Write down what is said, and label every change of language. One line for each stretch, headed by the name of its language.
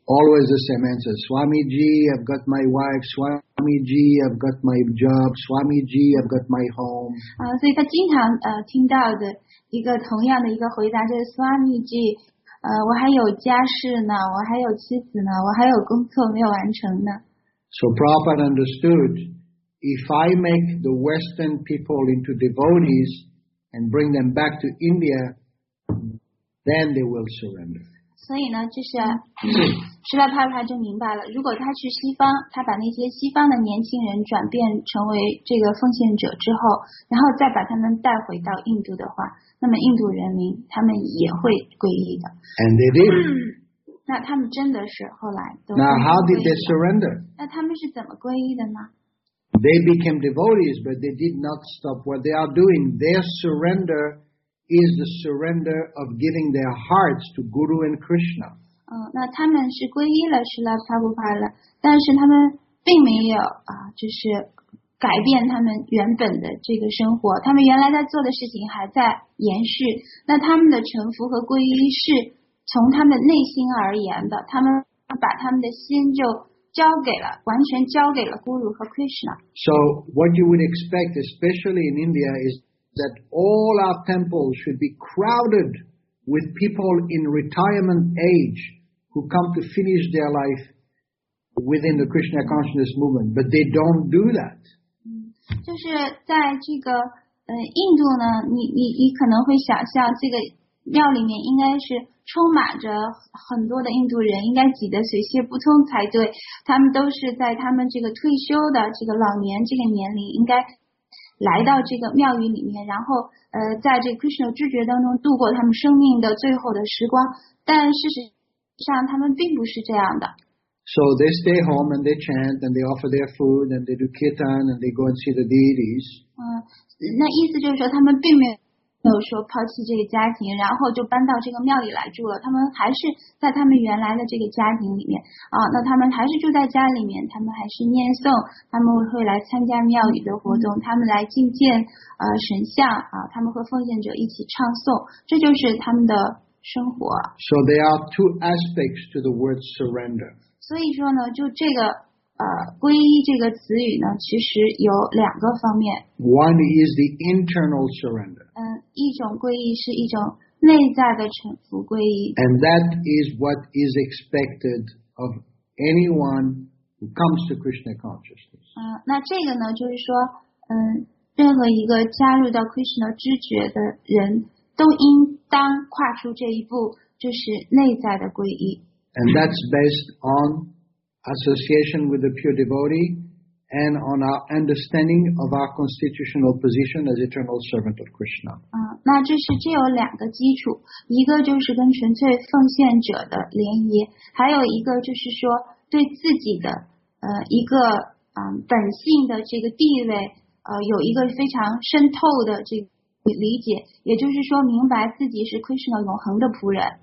English: Always the same answer. Swamiji, I've got my wife. Swamiji, I've got my job. Swamiji, I've got my home.
Chinese: 所以他经常听到的一个同样的一个回答就是 Swamiji, 我还有家事呢，我还有妻子呢，我还有工作没有完成呢。
English: So Prabhupada understood, if I make the Western people into devotees and bring them back to India,Then they will surrender.
Chinese: 所以呢，就是释迦帕帕就明白了，如果他去西方，他把那些西方的年轻人转变成为这个奉献者之后，然后再把他们带回到印度的话，那么印度人民他们也会皈依的。
English: And they did.
Chinese: 那他们真的是后来都。
English: Now how did they surrender?
Chinese: 那他们是怎么皈依的呢？
English: They became devotees, but they did not stop what they are doing. Their surrender. Is the surrender of giving their hearts to Guru and Krishna.
Chinese: 那他们是皈依了Srila Prabhupada了，但是他们并没有就是改变他们原本的这个生活，他们原来在做的事情还在延续。那他们的臣服和皈依是从他们内心而言的，他们把他们的心就交给了，完全交给了Guru和Krishna。
English: So what you would expect, especially in India, is. That all our temples should be crowded with people in retirement age who come to finish their life within the Krishna consciousness movement, but they don't do that.
Chinese: 就是在这个印度呢，你可能会想象这个庙里面应该是充满着很多的印度人，应该挤得水泄不通才对。他们都是在他们这个退休的这个老年这个年龄应该。来到这个庙宇里面，然后在这 Krishna 知觉当中度过他们生命的最后的时光，但事实上他们并不是这样的。
English: So they stay home and they chant and they offer their food and they do kirtan and they go and see the deities.
Chinese: 那意思就是说他们并没有说抛弃这个家庭，然后就搬到这个庙里来住了，他们还是在他们原来的这个家庭里面那他们还是住在家里面，他们还是念诵，他们会来参加庙宇的活动，他们来觐见神像他们和奉献者一起唱诵，这就是他们的生活。
English: So there are two aspects to the word surrender.
Chinese: 所以说呢，就这个皈依这个词语呢，其实有两个方面。
English: One is the internal surrender.
Chinese: 一种皈依是一种内在的臣服皈依。
English: And that is what is expected of anyone who comes to Krishna consciousness.
Chinese: 那这个呢，就是说任何一个加入到 Krishna 知觉的人都应当跨出这一步，就是内在的皈依。
English: And that's based on association with the pure devotee and on our understanding of our constitutional position as eternal servant of Krishna.
Chinese: 那这是只有两个基础，一个就是跟纯粹奉献者的联谊，还有一个就是说对自己的一个本性的这个地位有一个非常深透的这个理解，也就是说明白自己是 Krishna 永恒的仆人。